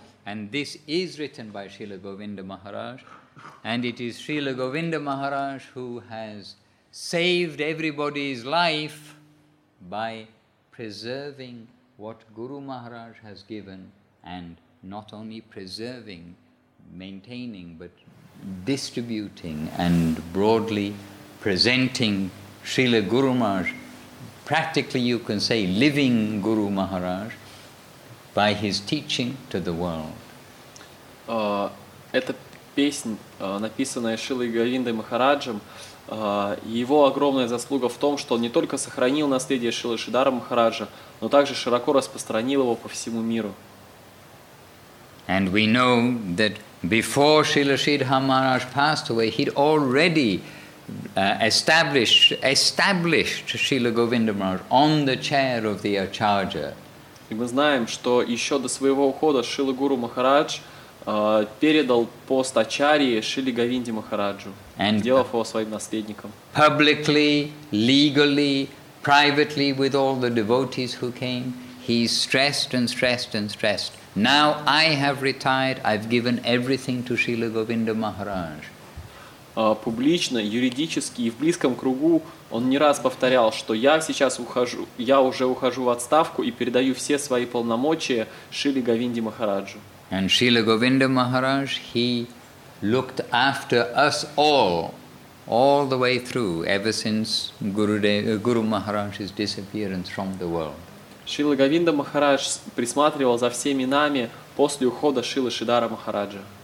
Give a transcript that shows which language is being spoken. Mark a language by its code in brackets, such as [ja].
[en] And this is written by Srila Govinda Maharaj. And it is Srila Govinda Maharaj who has saved everybody's life by preserving what Guru Maharaj has given, and not only preserving, maintaining, but distributing and broadly presenting Srila Guru Maharaj. Practically, you can say, living Guru Maharaj by his teaching to the world. [ru] Эта песня, написанная Шрилой Говиндой Махараджем, его огромная заслуга в том, что он не только сохранил наследие Шрилы Шридхара Махараджа, но также широко распространил его по всему миру. [en] And we know that before Srila Sridhara Maharaj passed away, he'd already established Srila Govinda Maharaj on the chair of the Acharya. [ru] И мы знаем, что еще до своего ухода Шрила Гуру Махарадж передал пост Ачарьи Шриле Говинде Махараджу, сделав его своим наследником. [en] Publicly, legally, privately, with all the devotees who came, he stressed. Now I have retired, I've given everything to Srila Govinda Maharaj. [ru] Публично, юридически и в близком кругу он не раз повторял, что я сейчас ухожу, я уже ухожу в отставку и передаю все свои полномочия Шриле Говинде Махараджу. [en] And Srila Govinda Maharaj, he looked after us all the way through, ever since Guru Maharaj's disappearance from the world. [ru] Шрила Говинда Махарадж присматривал за всеми нами после ухода Шрилы Шридхара Махараджа.